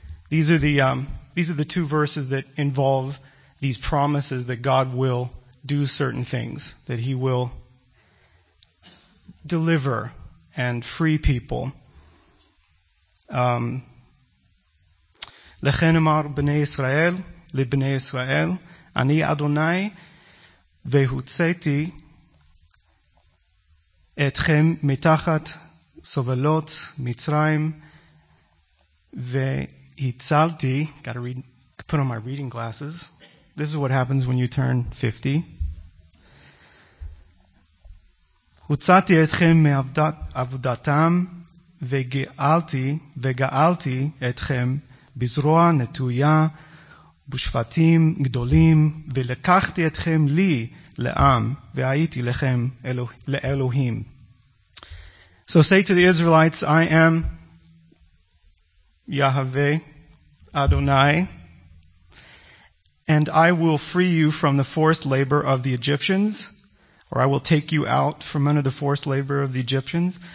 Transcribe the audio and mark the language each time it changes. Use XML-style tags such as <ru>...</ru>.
<en>These are the two verses that involve these promises that God will do certain things, that he will deliver and free people.</en> <he>לכן אמר בני ישראל לבני ישראל אני אדוני והוצאתי אתכם מתחת סובלות מצרים והצלתי.</he> <en>Gotta read, put on my reading glasses. This is what happens when you turn 50.</en> <he>הוצאתי אתכם מעבודתם וגאלתי אתכם בזרוע נטויה בשפטים גדולים ולקחתי אתכם לי לעם והייתי לכם לאלוהים.</he> <en>So say to the Israelites, I am Yahweh Adonai, and I will free you from the forced labor of the Egyptians. Or I will take you out from under the forced labor of the Egyptians.</en>